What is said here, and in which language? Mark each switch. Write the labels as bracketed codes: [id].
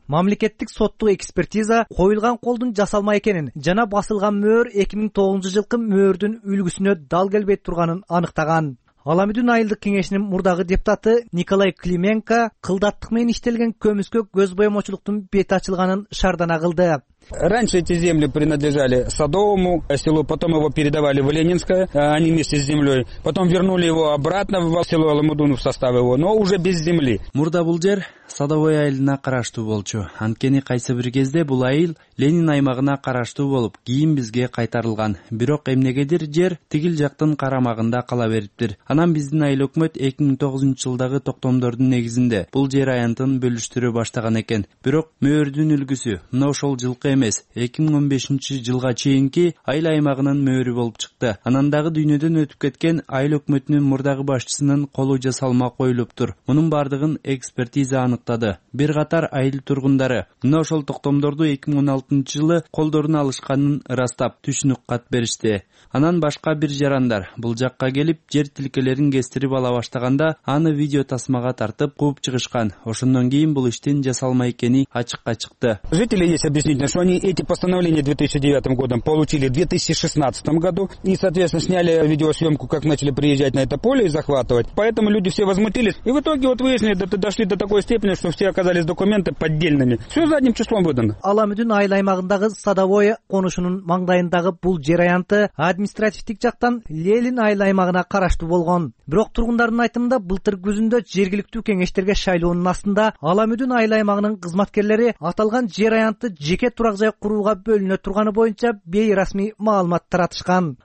[ky] Мамлекеттик соттук экспертиза коюлган колдун жасалма экенин жана басылган мөөр 2009 жылкы мөөрдүн үлгүсүнө дал келбей турганын аныктаган. Аламүдүн айылдык кеңешинин мурдагы депутаты Николай Клименко кылдаттык менен иштелген көмүскө көз боемочулуктун бети ачылганын шардана кылды. [ru] Раньше эти земли принадлежали садовому селу, потом его передавали в Ленинское, они вместе с землей. Потом вернули его обратно в село Аламудун в состав его, но уже без земли. [ky] Мурда бул жер садовой айылына караштуу болчу. Анткени кайсы бир кезде бул айыл Ленин аймагына караштуу болуп, кийин бизге кайтарылган. Бирок эмнегедир жер тигил жактын карамагында кала бериптир. Анан биздин айыл өкмөт 2009 жылдагы токтомдордун негизинде бул жер аянтын бөлүштүрүү баштаган экен. Бирок мөөрдүн үлгүсү мына ошол жыл эмес 2015 жылга чейинки айыл аймагынын мөөрү болуп чыкты. Анан дагы дүйнөдөн өтүп кеткен айыл өкмөтүнүн мурдагы башчысынын колу жасалма коюлуптур. Мунун бардыгын экспертиза аныктады. Бир катар айыл тургундары мына ошол токтомдорду 2016 жылы колдоруна алышканын ырастап түшүнүк кат беришти. Анан башка бир жарандар бул жакка келип жер тилкелерин кестирип ала баштаганда аны видео тасмага тартып кууп чыгышкан. Ошондон кийин бул иштин жасалма экени ачыкка чыкты. [ru] Жители есть объяснить, что они эти постановления 2009 годом получили в 2016 году и, соответственно, сняли видеосъемку, как начали приезжать на это поле и захватывать. Поэтому люди все возмутились. И в итоге вот выяснили, это дошли до такой степени, что все оказались документы поддельными. Все задним числом выдано. [ky] Аламүдүн айыл аймагындагы садовое конушунун маңдайындагы бул жер аянты административдик жактан Ленин айыл аймагына караштуу болгон. Бирок тургундардын айтымында былтыр күзүндө жергиликтүү кеңештерге шайлоонун астында Аламүдүн айыл аймагынын кызматкерлери аталган жер аянты жеке турак жай курууга бөлүнө турганы боюнча бейрасмий маалымат таратышкан.